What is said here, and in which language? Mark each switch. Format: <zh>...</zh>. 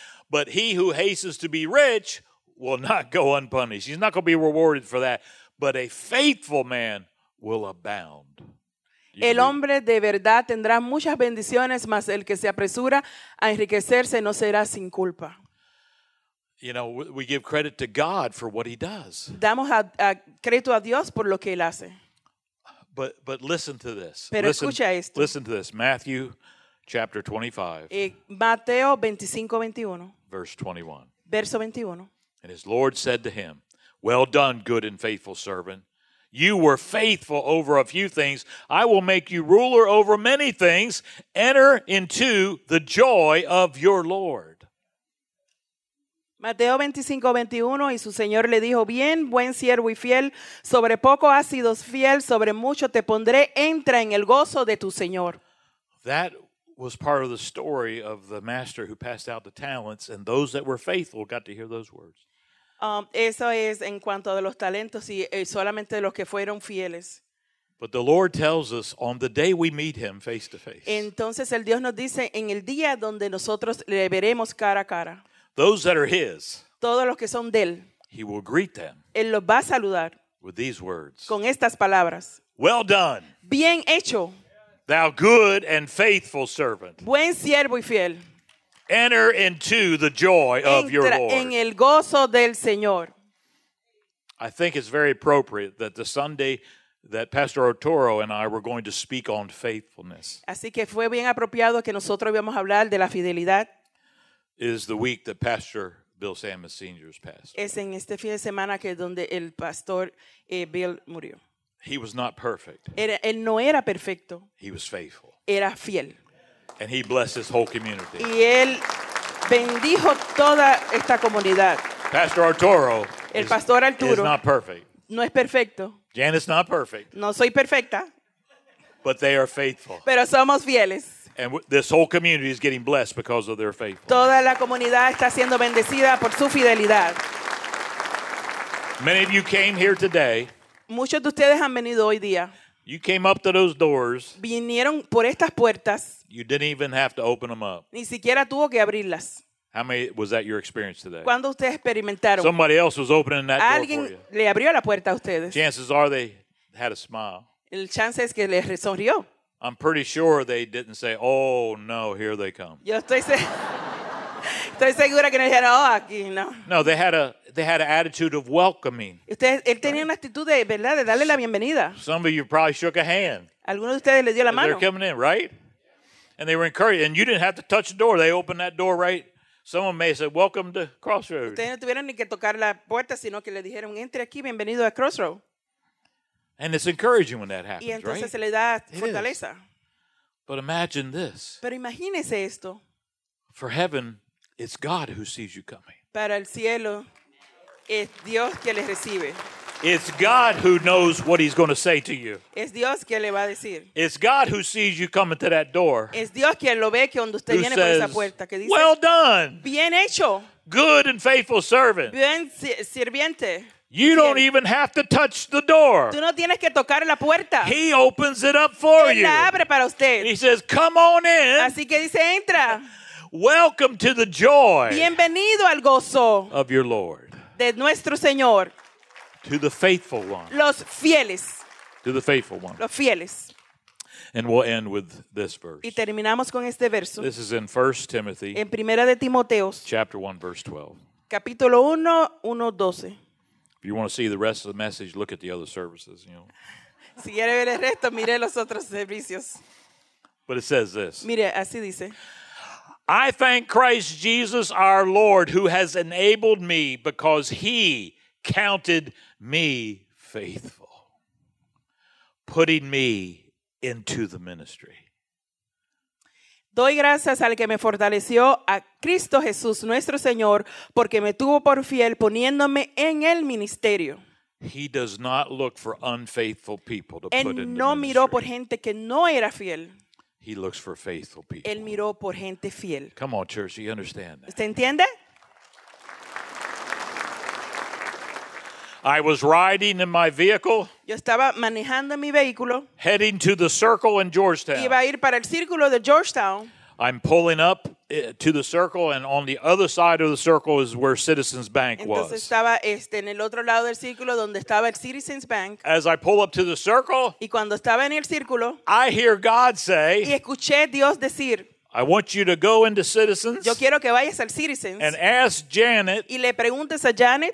<en>But he who hastens to be rich will not go unpunished. He's not going to be rewarded for that. But a faithful man will abound.</en> <es>El hombre de verdad tendrá muchas bendiciones, mas el que se apresura a enriquecerse no será sin culpa.</es> <en>You know, we give credit to God for what he does.</en> <es>Damos a crédito a Dios por lo que él hace.</es> <en>But listen to this.</en> <es>Pero escucha esto.</es> <en>Listen to this. Matthew chapter 25.</en> <es>Mateo 25:21.</es> <en>Verse 21.</en> <es>Verso 21.</es> <en>And his Lord said to him, "Well done, good and faithful servant. You were faithful over a few things. I will make you ruler over many things. Enter into the joy of your Lord."</en> <es>Mateo 25:21, y su Señor le dijo, "Bien, buen siervo y fiel, sobre poco has sido fiel, sobre mucho te pondré, entra en el gozo de tu Señor."</es> <en>That was part of the story of the master who passed out the talents, and those that were faithful got to hear those words.</en> <es>Eso es en cuanto a los talentos y solamente los que fueron fieles.</es> <en>But the Lord tells us on the day we meet him face to face.</en> <es>Entonces el Dios nos dice en el día donde nosotros le veremos cara a cara.</es> <en>Those that are his.</en> <es>Todos los que son de él.</es> <en>He will greet them.</en> <es>Él los va a saludar.</es> <en>With these words.</en> <es>Con estas palabras.</es> <en>Well done.</en> <es>Bien hecho.</es> <en>Thou good and faithful servant.</en> <es>Buen siervo y fiel.</es> <en>Enter into the joy of your Lord.</en> <es>En el gozo del Señor.</es> <en>I think it's very appropriate that the Sunday that Pastor Arturo and I were going to speak on faithfulness.</en> <es>Así que fue bien apropiado que nosotros íbamos a hablar de la fidelidad.</es> <en>Is the week that Pastor Bill Samus Sr. passed.</en> <es>Es en este fin de semana que donde el pastor Bill murió.</es> <en>He was not perfect.</en> <es>Él no era perfecto.</es> <en>He was faithful.</en> <es>Era fiel.</es> <en>And he blessed his whole community.</en> <es>Y él bendijo toda esta comunidad.</es> <en>Pastor Arturo,</en> <es>el pastor Arturo</es> <en>is not perfect.</en> <es>No es perfecto.</es> <en>Janice not perfect.</en> <es>No soy perfecta.</es> <en>But they are faithful.</en> <es>Pero somos fieles.</es> <en>And this whole community is getting blessed because of their faith.</en> <es>Toda la comunidad está siendo bendecida por su fidelidad.</es> <en>Many of you came here today.</en> <es>Muchos de ustedes han venido hoy día.</es> <en>You came up to those doors.</en> <es>Vinieron por estas puertas.</es> <en>You didn't even have to open them up.</en> <es>Ni siquiera tuvo que abrirlas.</es> <en>How many was that your experience today?</en> <es>¿Cuándo ustedes experimentaron?</es> <en>Somebody else was opening that door for you.</en> <es>Le abrió la puerta a ustedes.</es> <en>Chances are they had a smile.</en> <es>El chance es que les sonrió.</es> <en>I'm pretty sure they didn't say, "Oh no, here they come."</en> <es>Yo estoy segura que no dijeron, "Oh, aquí no."</es> <en>No, they had an attitude of welcoming.</en> <es>Él tenía una actitud de verdad de darle la bienvenida.</es> <en>Some of you probably shook a hand.</en> <es>Algunos de ustedes le dio la mano.</es> <en>They're coming in, right? And they were encouraged. And you didn't have to touch the door. They opened that door right. Someone may say, "Welcome to Crossroad."</en> <es>Ustedes no tuvieron ni que tocar la puerta, sino que le dijeron, "Entre aquí, bienvenido a Crossroad."</es> <en>And it's encouraging when that happens,</en> <es>y entonces</es> <en>right?</en> <es>Se le da fortaleza.</es> <en>But imagine this.</en> <es>Pero imagínese esto.</es> <en>For heaven, it's God who sees you coming.</en> <es>Para el cielo, es Dios que le recibe.</es> <en>It's God who knows what he's going to say to you.</en> <es>Es Dios que le va a decir.</es> <en>It's God who sees you coming to that door.</en> <es>Es Dios que lo ve que cuando usted viene por esa puerta. Que dice,</es> <en>"Well done.</en> <es>Bien hecho.</es> <en>Good and faithful servant.</en> <es>Bien sirviente."</es> <en>You don't even have to touch the door.</en> <es>Tú no tienes que tocar la puerta.</es> <en>He opens it up for</en> <es>él</es> <en>you.</en> <es>La abre para usted.</es> <en>He says, "Come on in."</en> <es>Así que dice, entra.</es> <en>Welcome to the joy.</en> <es>Bienvenido al gozo.</es> <en>Of your Lord.</en> <es>De nuestro Señor.</es> <en>To the faithful one.</en> <es>Los fieles.</es> <en>To the faithful one.</en> <es>Los fieles.</es> <en>And we'll end with this verse.</en> <es>Y terminamos con este verso.</es> <en>This is in 1 Timothy.</en> <es>En Primera de Timoteos.</es> <en>Chapter 1, verse 12.</en> <es>Capítulo 1:12.</es> <en>If you want to see the rest of the message, look at the other services, you know.</en> <es>Si quiere ver el resto, mire los otros servicios.</es> <en>But it says this.</en> <es>Mire, así dice.</es> <en>I thank Christ Jesus our Lord who has enabled me because he counted me faithful, putting me into the ministry.</en> <es>Doy gracias al que me fortaleció, a Cristo Jesús, nuestro Señor, porque me tuvo por fiel poniéndome en el ministerio.</es> <en>He does not look for unfaithful people to</en> <es>Él</es> <en>put</en> <es>no</es> <en>in the</en> <es>miró</es> <en>ministry.</en> <es>Por gente que no era fiel.</es> <en>He looks for faithful people.</en> <es>Él miró por gente fiel.</es> <en>Come on, church, you understand that.</en> <es>¿Usted entiende?</es> <en>I was riding in my vehicle.</en> <es>Yo estaba manejando mi vehículo.</es> <en>Heading to the circle in Georgetown.</en> <es>Iba a ir para el círculo de Georgetown.</es> <en>I'm pulling up to the circle, and on the other side of the circle is where Citizens Bank was.</en> <es>Entonces estaba en el otro lado del círculo donde estaba el Citizens Bank.</es> <en>As I pull up to the circle,</en> <es>y cuando estaba en el círculo,</es> <en>I hear God say,</en> <es>y escuché Dios decir,</es> <en>I want you to go into Citizens.</en> <es>Yo quiero que vayas al Citizens.</es> <en>And ask Janet.</en> <es>Y le preguntes a Janet.</es>